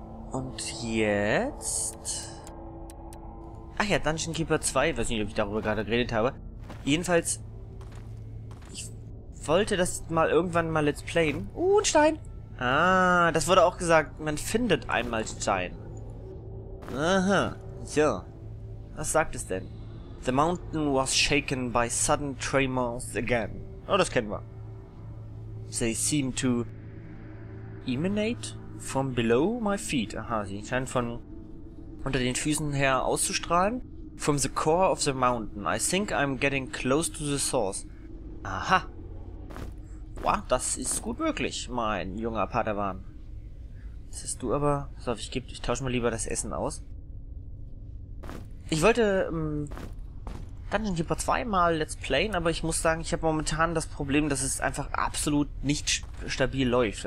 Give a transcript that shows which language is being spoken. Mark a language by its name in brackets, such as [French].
[German] Und jetzt... Ach ja, Dungeon Keeper 2. Ich weiß nicht, ob ich darüber gerade geredet habe. Jedenfalls... Ich wollte das mal irgendwann mal let's playen. Ein Stein! Ah, das wurde auch gesagt, man findet einmal Stein. Aha, ja. Was sagt es denn? [English] The mountain was shaken by sudden tremors again. [German] Oh, das kennen wir. [English] They seem to emanate from below my feet. [German] Aha, sie scheinen von unter den Füßen her auszustrahlen. [English] From the core of the mountain. I think I'm getting close to the source. [German] Aha. Wow, das ist gut möglich, mein junger Padawan. Das ist du aber... Pass auf, ich tausche mal lieber das Essen aus. Ich wollte Dungeon Keeper 2 mal let's playen, aber ich muss sagen, ich habe momentan das Problem, dass es einfach absolut nicht stabil läuft.